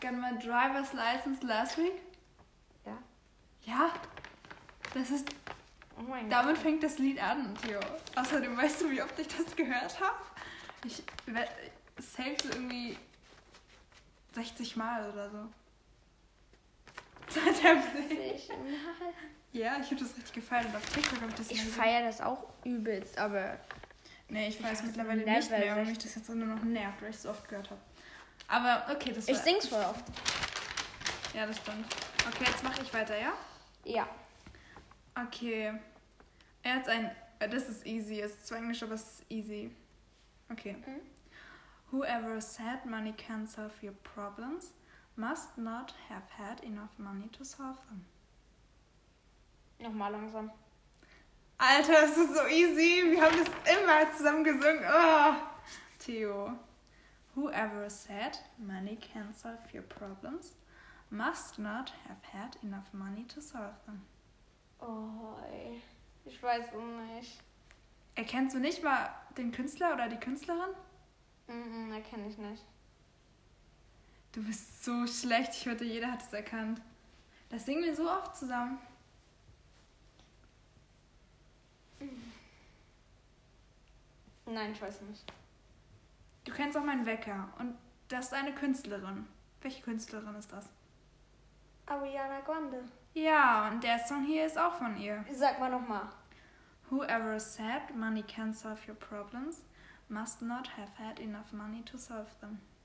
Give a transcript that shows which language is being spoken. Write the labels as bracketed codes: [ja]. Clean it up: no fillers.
[en] got my driver's license last week. [de] Ja. Ja. Das ist... Oh mein Gott. Damit fängt das Lied an, Theo. Außerdem weißt du, wie oft ich das gehört habe? Ich werde safe irgendwie 60 Mal oder so. Seit der 60 Mal? Ja, ich habe das richtig gefeiert und auf TikTok habe ich das Ich feiere das auch übelst, aber. Nee, ich weiß mittlerweile nicht mehr, weil mich das jetzt nur noch nervt, weil ich es so oft gehört habe. Aber okay, das war. Ich sing's voll oft. Ja, das stimmt. Okay, jetzt mache ich weiter, ja? Ja. Okay. Er hat ein. Das ist easy. Es ist zwar Englisch, aber es ist easy. Okay. [en] Whoever said money can solve your problems must not have had enough money to solve them. [de] Nochmal langsam. Alter, das ist so easy. Wir haben das immer zusammen gesungen. Oh. Theo. [en] Whoever said money can solve your problems must not have had enough money to solve them. [de] Oh, ey. Ich weiß nicht. Erkennst du nicht mal den Künstler oder die Künstlerin? Mm-mm, erkenne ich nicht. Du bist so schlecht. Ich hörte, jeder hat es erkannt. Das singen wir so oft zusammen. Nein, ich weiß nicht. Du kennst auch meinen Wecker. Und das ist eine Künstlerin. Welche Künstlerin ist das? Ariana Grande. Ja, und der Song hier ist auch von ihr. Sag mal nochmal. [en] Whoever said money can solve your problems must not have had enough money to solve them.